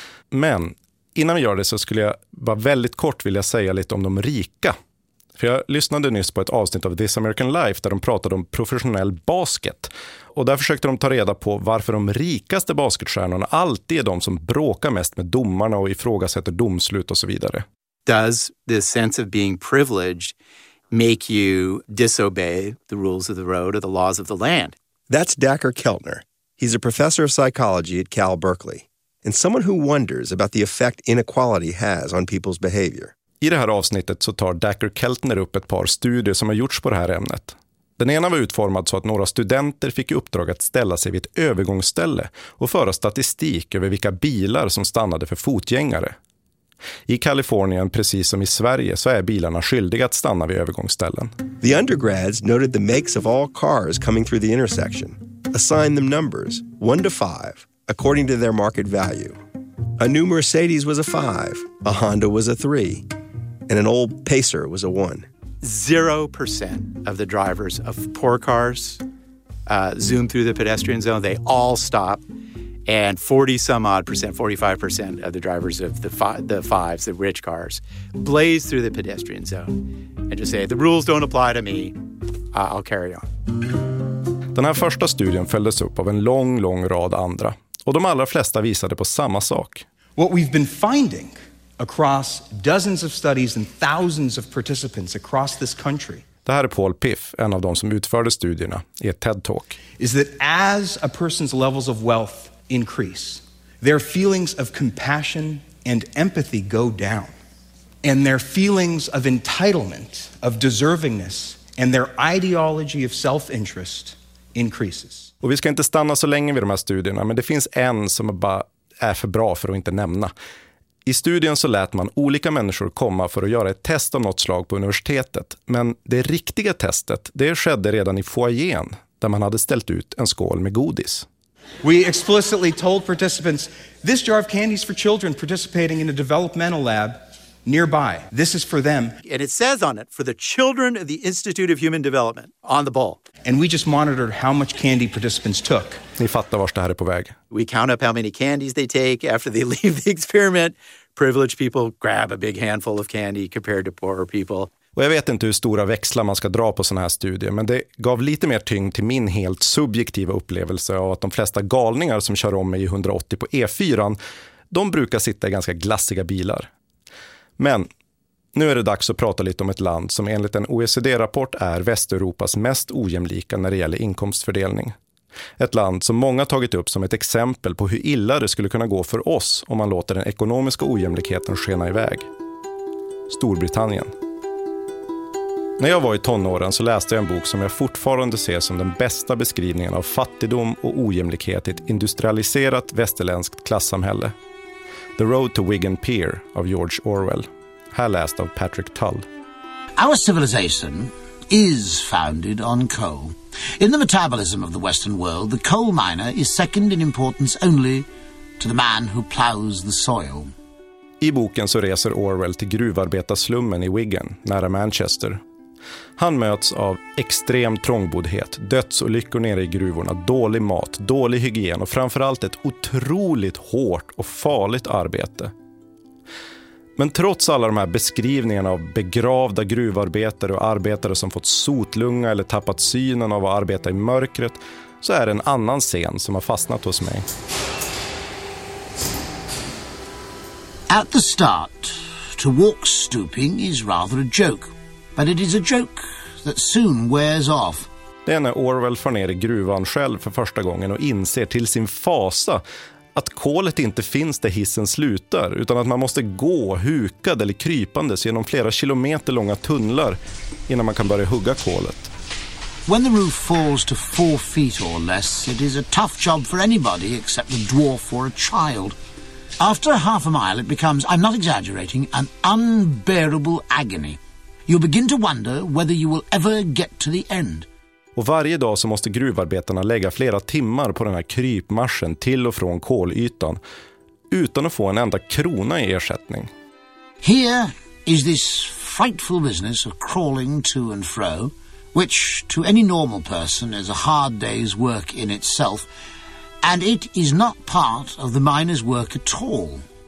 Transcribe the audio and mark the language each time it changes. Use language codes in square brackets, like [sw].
[sv] Men innan vi gör det så skulle jag bara väldigt kort vilja säga lite om de rika. För jag lyssnade nyss på ett avsnitt av This American Life där de pratade om professionell basket. Och där försökte de ta reda på varför de rikaste basketstjärnorna alltid är de som bråkar mest med domarna och ifrågasätter domslut och så vidare. [en] Does the sense of being privileged make you disobey the rules of the road or the laws of the land? That's Dacher Keltner. He's a professor of psychology at Cal Berkeley. And someone who wonders about the effect inequality has on people's behavior. [sv] I det här avsnittet så tar Dacher Keltner upp ett par studier som har gjorts på det här ämnet. Den ena var utformad så att några studenter fick i uppdrag att ställa sig vid ett övergångsställe och föra statistik över vilka bilar som stannade för fotgängare. I Kalifornien, precis som i Sverige, så är bilarna skyldiga att stanna vid övergångsställen. [en] The undergrads noted the makes of all cars coming through the intersection. Assigned them numbers, 1 to 5, according to their market value. A new Mercedes was a 5, a Honda was a 3, and an old Pacer was a 1. 0% of the drivers of poor cars zoom through the pedestrian zone. They all stop. And 40-some-odd percent, 45% of the drivers of the fives, the rich cars, blaze through the pedestrian zone and just say, the rules don't apply to me, I'll carry on. [sv] Den här första studien följdes upp av en lång, lång rad andra. Och de allra flesta visade på samma sak. [en] What we've been finding across dozens of studies and thousands of participants across this country. [sv] Det här är Paul Piff, en av de som utförde studierna, i ett TED-talk. [en] Is that as a person's levels of wealth increase, their feelings of compassion and empathy go down. And their feelings of entitlement, of deservingness, and their ideology of self-interest increases. [sv] Och vi ska inte stanna så länge vid de här studierna, men det finns en som bara är för bra för att inte nämna. I studien så lät man olika människor komma för att göra ett test av något slag på universitetet. Men det riktiga testet, det skedde redan i foajén där man hade ställt ut en skål med godis. [en] We explicitly told participants, this jar of candy is for children participating in a developmental lab nearby. This is for them. And it says on it, for the children of the Institute of Human Development, on the bowl. And we just monitored how much candy participants took. [sv] Ni fattar vart det här är på väg. [en] We count up how many candies they take after they leave the experiment. Privileged people grab a big handful of candy compared to poorer people. [sv] Och jag vet inte hur stora växlar man ska dra på såna här studier, men det gav lite mer tyngd till min helt subjektiva upplevelse av att de flesta galningar som kör om mig i 180 på E4, de brukar sitta i ganska glassiga bilar. Men nu är det dags att prata lite om ett land som enligt en OECD-rapport är Västeuropas mest ojämlika när det gäller inkomstfördelning. Ett land som många tagit upp som ett exempel på hur illa det skulle kunna gå för oss om man låter den ekonomiska ojämlikheten skena iväg. Storbritannien. När jag var i tonåren så läste jag en bok som jag fortfarande ser som den bästa beskrivningen av fattigdom och ojämlikhet i ett industrialiserat västerländskt klassamhälle. The Road to Wigan Pier av George Orwell. Här läst av Patrick Tull. [en] Our civilization is founded on coal. In the metabolism of the Western world, the coal miner is second in importance only to the man who plows the soil. [sv] I boken så reser Orwell till gruvarbetarslummen i Wigan, nära Manchester. Han möts av extrem trångboddhet, dödsolyckor nere i gruvorna, dålig mat, dålig hygien och framförallt ett otroligt hårt och farligt arbete. Men trots alla de här beskrivningarna av begravda gruvarbetare och arbetare som fått sotlunga eller tappat synen av att arbeta i mörkret, så är det en annan scen som har fastnat hos mig. [en] At the start, to walk stooping is rather a joke. But it is a joke that soon wears off. [sv] Det är när Orwell far ner i gruvan själv för första gången och inser till sin fasa att kolet inte finns där hissen slutar, utan att man måste gå hukad eller krypandes genom flera kilometer långa tunnlar innan man kan börja hugga kolet. [en] When the roof falls to 4 feet or less, it is a tough job for anybody except a dwarf or a child. After a half a mile it becomes, I'm not exaggerating, an unbearable agony. You begin to wonder whether you will ever get to the end. [sv] Och varje dag så måste gruvarbetarna lägga flera timmar på den här krypmarschen till och från kolytan utan att få en enda krona i ersättning. [en] Here is this frightful business of crawling to and fro, which to any normal person is a hard day's work in itself, and it is not part of the miner's work at all.